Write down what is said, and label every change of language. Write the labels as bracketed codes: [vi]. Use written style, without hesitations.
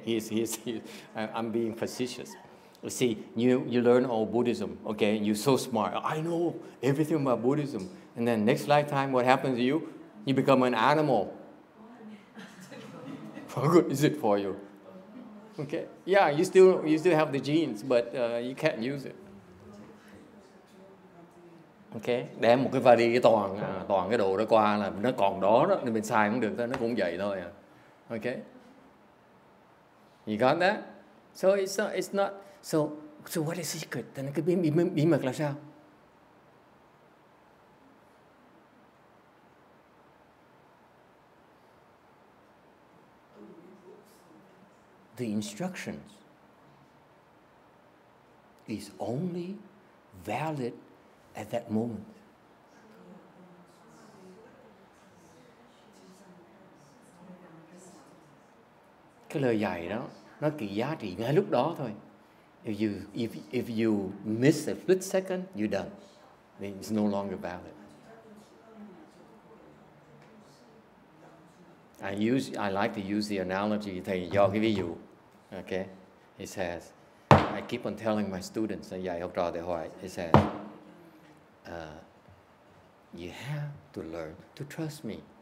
[en] He's I'm being facetious. See, you learn all Buddhism, okay? You're so smart. I know everything about Buddhism. And then next lifetime, what happens to you? You become an animal. How good is it for you? Okay. Yeah, you still have the genes, but you can't use it. Okay. [vi] Để một cái vali toàn toàn cái đồ đó qua là nó còn đó đó thì mình xài cũng được thôi, nó cũng vậy thôi. [en] Okay. You got that? So it's not. So what is the secret? Then [vi] cái bí mật là sao? [en] The instructions is only valid at that moment. [vi] Cái lời dạy đó nó kỳ giá trị ngay lúc đó thôi. [en] If you miss a split second, you're done. Then it's no longer valid. I like to use the analogy. [vi] Thầy cho cái ví dụ. [en] Okay, he says, I keep on telling my students, you have to learn to trust me.